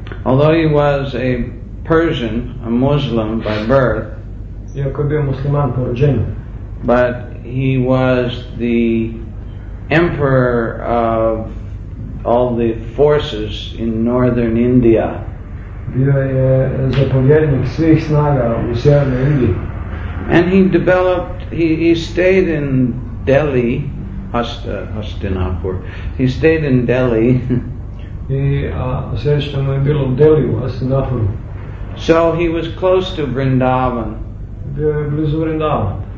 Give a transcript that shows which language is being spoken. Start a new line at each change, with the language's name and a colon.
English: Although he was a Persian, a Muslim by birth,
Croatian: iako je bio musliman po rođenju,
English: but he was the emperor of all the forces in northern India.
Croatian: Bio je zapovjednik svih snaga u sjevernoj Indiji.
English: And he developed, he stayed in Delhi, Hastinapur. He stayed in Delhi.
Croatian: I sjedište mu je bilo u Delhiju, Hastinapuru.
English: So he was close to Vrindavan.
Croatian: Bio je blizu Vrindavan.